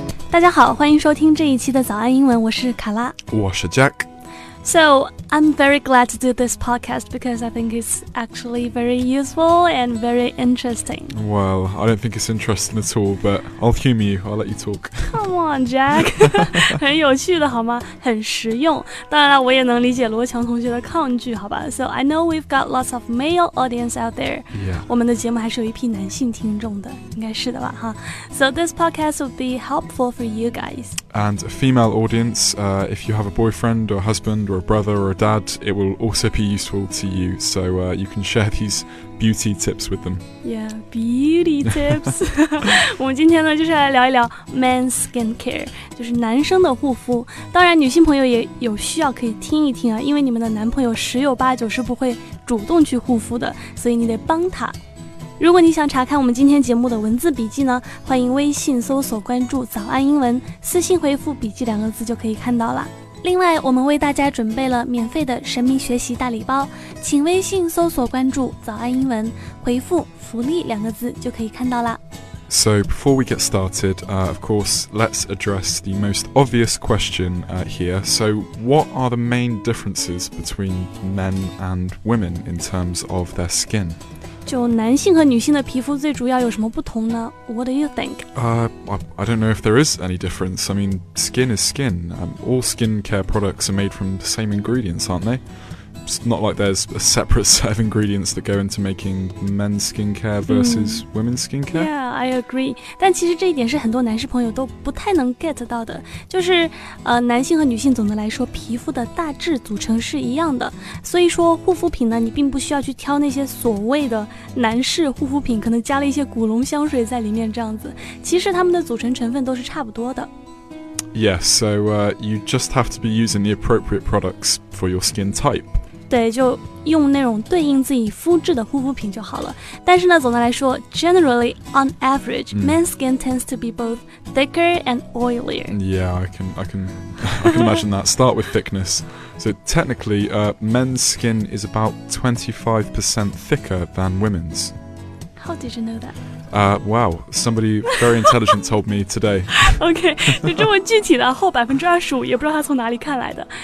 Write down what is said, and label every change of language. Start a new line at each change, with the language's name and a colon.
Chinese: 大家好，欢迎收听这一期的早安英文，我是卡拉，我是 Jack。
English: So, I'm very glad to do this podcast because I think it's actually very useful and very interesting. Well, I don't think it's interesting at all, but I'll humor you. I'll let you talk. Come on, Jack.
Chinese: 很有趣的好吗？很实用。当然了，我也能理解罗强同学的抗拒，好吧？
English: So, I know we've got lots of male audience out there. Yeah.
Chinese: 我们的节目还是有一批男性听众的，应该是的吧，哈。
English: So, this podcast would be helpful for you guys. And a female audience, if you have a boyfriend or husband or a brother or a dad, it will also be useful to you. So, you can share these beauty tips with them. Yeah, beauty tips.
Chinese: 我们今天呢就是来聊一聊 men's skincare, 就是男生的护肤。当然女性朋友也有需要可以听一听啊，因为你们的男朋友十有八九是不会主动去护肤的，所以你得帮他。如果你想查看我们今天节目的文字笔记呢，欢迎微信搜索关注早安英文，私信回复笔记两个字就可以看到了。另外我们为大家准备了免费的神秘学习大礼包，请微信搜索关注早安英文，回复福利两个字就可以看到了。
English: So before we get started, of course, let's address the most obvious question here. So what are the main differences between men and women in terms of their skin?
Chinese: 就男性和女性的皮肤最主要有什么不同呢?
English: What do you think? I don't know if there is any difference. I mean, skin is skin. All skincare products are made from the same ingredients, aren't they? It's not like there's a separate set of ingredients that go into making men's skincare versus women's skincare. Yeah, I agree.
Chinese: 但其实这一点是很多男士朋友都不太能 get 到的。就是男性和女性总的来说皮肤的大致组成是一样的。所以说护肤品呢你并不需要去挑那些所谓的男士护肤品，可能加了一些古龙香水在里面这样子。其实它们的组成成分都是差不多的。
English: Yes, so you just have to be using the appropriate products for your skin type.
Chinese: 对，就用那种对应自己肤质的护肤品就好了。但是呢，总的来说
English: ，generally on average,、men's skin tends to be both thicker and oilier. Yeah, I can imagine that. Start with thickness. So technically, men's skin is about 25% thicker than women's. How did you know that? Wow, somebody very intelligent told me today.
Chinese: Okay, 就这么具体的后 25% 也不知道他从哪里看来的。